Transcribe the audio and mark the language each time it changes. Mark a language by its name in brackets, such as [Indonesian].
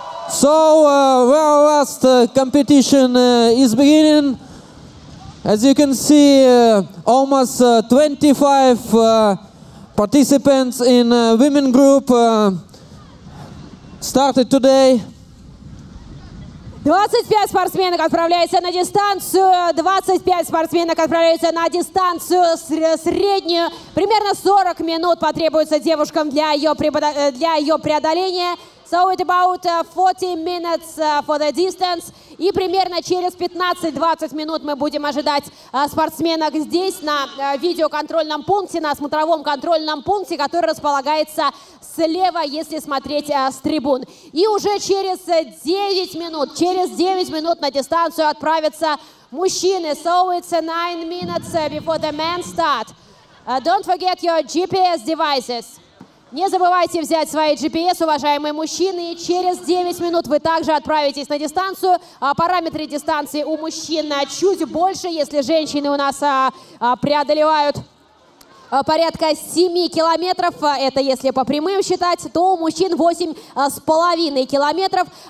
[English] So, where our last competition is beginning. As you can see, almost 25 participants in women group started today. [Russian] 25 спортсменок отправляются на дистанцию, 25 спортсменок отправляются на дистанцию среднюю. Примерно 40 минут потребуется девушкам для ее преодоления. [English] So it's about 40 minutes for the distance. [Russian] И примерно через 15-20 минут мы будем ожидать спортсменок здесь, на видеоконтрольном пункте, на смотровом контрольном пункте, который располагается слева, если смотреть с трибун. И уже через 9 минут, на дистанцию отправятся мужчины. [English] So it's 9 minutes before the men start. Don't forget your GPS devices. [Russian] Не забывайте взять свои GPS, уважаемые мужчины, и через 9 минут вы также отправитесь на дистанцию. Параметры дистанции у мужчин чуть больше, если женщины у нас преодолевают порядка 7 километров, это если по прямым считать, то у мужчин 8,5 километров.